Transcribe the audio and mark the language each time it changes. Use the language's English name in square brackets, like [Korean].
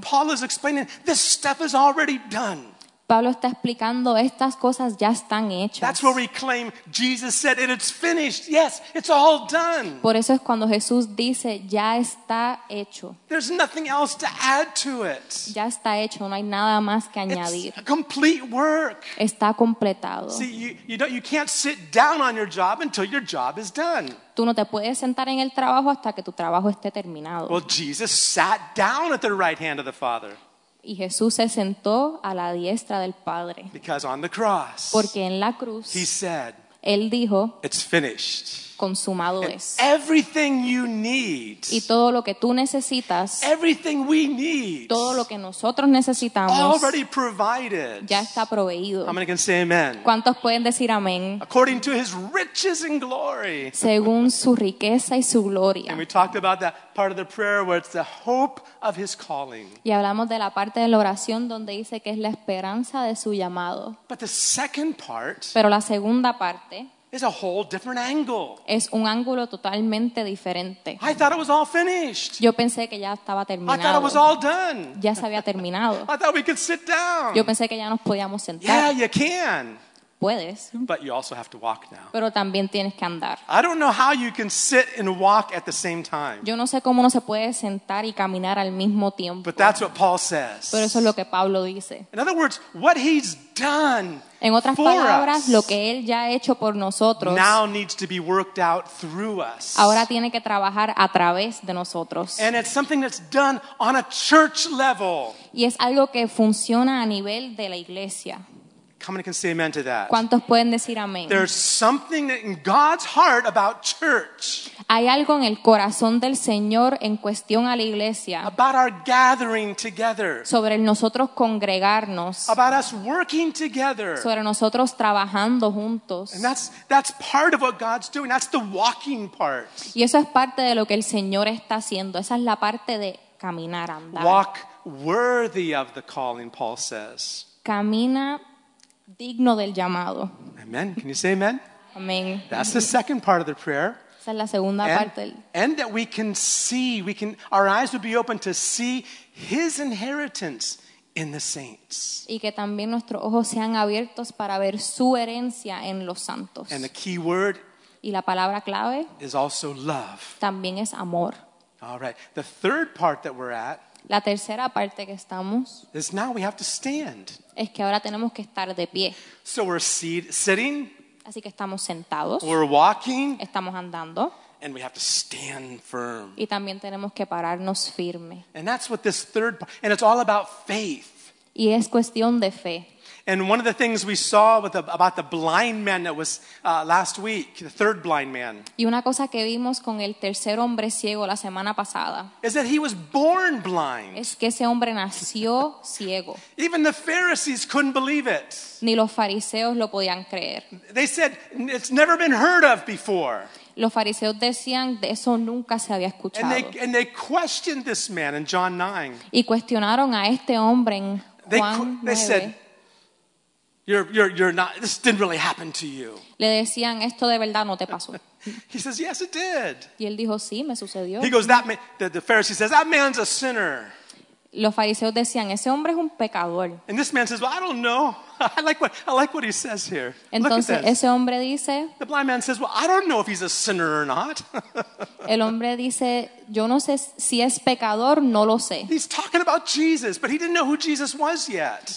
[English] Paul is explaining, this stuff is already done. [Spanish] Pablo está explicando, estas cosas ya están hechas. [English] That's where we claim Jesus said, and it's finished. Yes, it's all done. [Spanish] Por eso es cuando Jesús dice, ya está hecho. [English] There's nothing else to add to it. [Spanish] Ya está hecho, no hay nada más que añadir. [English] It's a complete work. [Spanish] Está completado. [English] See, you can't sit down on your job until your job is done. [Spanish] Tú no te puedes sentar en el trabajo hasta que tu trabajo esté terminado. [English] Well, Jesus sat down at the right hand of the Father. [Spanish] Y Jesús se sentó a la diestra del Padre. [English] Because on the cross, [Spanish] porque en la cruz, [English] he said, [Spanish] él dijo, [English] it's finished. [Spanish] Consumado es. [English] Everything you need, [Spanish] y todo lo que tú necesitas, [English] everything we need, [Spanish] todo lo que nosotros necesitamos, [English] already provided. [Spanish] Ya está proveído. [English] How many can say amen? [Spanish] ¿Cuántos pueden decir amén? [English] According to his riches and glory. [Spanish] Según su riqueza y su gloria. [English] And we talked about that part of the prayer where it's the hope of his calling. [Spanish] Y hablamos de la parte de la oración donde dice que es la esperanza de su llamado. [English] But the second part, [Spanish] pero la segunda parte, [English] it's a whole different angle. [Spanish] Es un ángulo totalmente diferente. [English] I thought it was all finished. [Spanish] Yo pensé que ya estaba terminado. [English] I thought it was all done. [Spanish] Ya se había terminado. [English] I thought we could sit down. [Spanish] Yo pensé que ya nos podíamos sentar. [English] Yeah, you can. [Spanish] Puedes. [English] But you also have to walk now. [Spanish] Pero también tienes que andar. [English] I don't know how you can sit and walk at the same time. [Spanish] Yo no sé cómo uno se puede sentar y caminar al mismo tiempo. [English] But that's what Paul says. [Spanish] Pero eso es lo que Pablo dice. [English] In other words, what he's done. [Spanish] En otras palabras, lo que él ya ha hecho por nosotros [English] now needs to be worked out through us. [Spanish] Ahora tiene que trabajar a través de nosotros. [English] And it's something that's done on a church level. [Spanish] Y es algo que funciona a nivel de la iglesia. [English] How many can say amen to that? [Spanish] ¿Cuántos pueden decir amén? [English] There's something in God's heart about church. [Spanish] Hay algo en el corazón del Señor en cuestión a la iglesia. [English] About our gathering together. [Spanish] Sobre el nosotros congregarnos. [English] About us working together. [Spanish] Sobre nosotros trabajando juntos. [English] And that's part of what God's doing. That's the walking part. [Spanish] Y eso es parte de lo que el Señor está haciendo. Esa es la parte de caminar, andar. [English] Walk worthy of the calling, Paul says. [Spanish] Camina digno del llamado. [English] Amen. Can you say amen? Amen. That's the second part of the prayer. [Spanish] Esa es la segunda parte. [English] And that we can see, our eyes would be open to see his inheritance in the saints. [Spanish] Y que también nuestros ojos sean abiertos para ver su herencia en los santos. [English] And the key word, [Spanish] y la palabra clave, [English] is also love. [Spanish] También es amor. [English] All right. The third part that we're at, [Spanish] la tercera parte que estamos, [English] is now we have to stand. [Spanish] Es que ahora tenemos que estar de pie. [English] So we're sitting. [Spanish] Así que estamos sentados. [English] We're walking. [Spanish] Estamos andando. [English] And we have to stand firm. [Spanish] Y también tenemos que pararnos firme. [English] And that's what this third part, and it's all about faith. [Spanish] Y es cuestión de fe. [English] And one of the things we saw about the blind man that was last week, the third blind man. [Spanish] Y una cosa que vimos con el tercer hombre ciego la semana pasada. [English] Is that he was born blind. [Spanish] Es que ese hombre nació ciego. [English] Even the Pharisees couldn't believe it. [Spanish] Ni los fariseos lo podían creer. [English] They said it's never been heard of before. [Spanish] Los fariseos decían de eso nunca se había escuchado. [English] And they questioned this man in John 9. [Spanish] Y cuestionaron a este hombre en Juan 9. [English] They said, You're not, this didn't really happen to you. [Spanish] Le decían, esto de verdad no te pasó. [English] He says, yes, it did. [Spanish] Y él dijo, sí, me sucedió. [English] He goes, that man, the Pharisee says, that man's a sinner. [Spanish] Los fariseos decían, ese hombre es un pecador. [English] And this man says, well, I don't know. I like what he says here. [Spanish] Entonces, [English] look at this. [Spanish] Ese hombre dice, [English] the blind man says, well, I don't know if he's a sinner or not. [Spanish] El hombre dice, yo no sé si es pecador, no lo sé. [English] He's talking about Jesus, but he didn't know who Jesus was yet.